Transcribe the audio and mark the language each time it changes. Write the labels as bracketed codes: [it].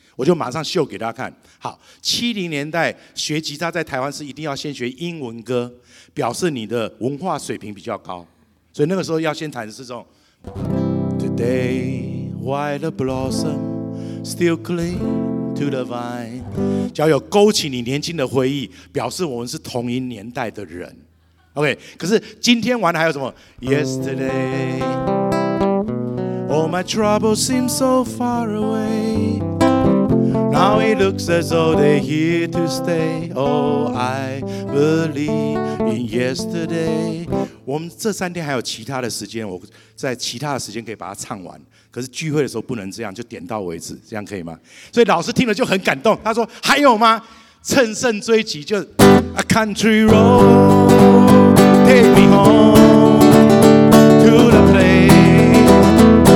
[zh] 我就马上秀给大家看。好，70年代学吉他在台湾是一定要先学英文歌，表示你的文化水平比较高，所以那个时候要先弹的是这种 [en] Today white blossom still cling to the vine， [zh] 只要有勾起你年轻的回忆，表示我们是同一年代的人。 [en] OK， [zh] 可是今天玩的还有什么 [en] Yesterday all my troubles seem so far awayNow it looks as though they're here to stay. Oh, I believe in yesterday. [zh] 我们这3天还有其他的时间，我在其他的时间可以把它唱完。可是聚会的时候不能这样，就点到为止，这样可以吗？所以老师听了就很感动，他说：“还有吗？乘胜追击，就 [en] A country road take me home to the place.”